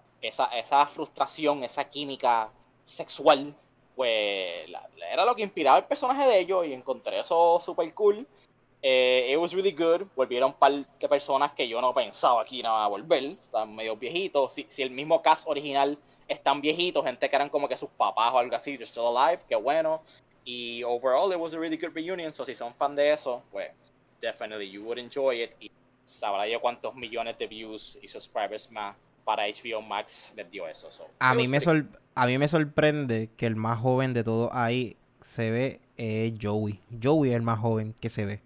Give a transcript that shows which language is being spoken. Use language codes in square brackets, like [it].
[es] Esa frustración, esa química sexual, pues era lo que inspiraba el personaje de ellos y encontré eso super cool. [en] It was really good. [es] Volvieron un par de personas que yo no pensaba que iban a volver. Están medio viejitos. Si el mismo cast original están viejitos, gente que eran como que sus papás o algo así, [en] they're still alive, [es] qué bueno. [en] Y overall, it was a really good reunion. So, [es] si son fan de eso, pues, [en] definitely you would enjoy it. [es] Y sabrá yo cuántos millones de views y subscribers más para HBO Max les dio eso. [en] So, [es] a mí me sorprende que el más joven de todos ahí se ve es Joey. Joey es el más joven que se ve.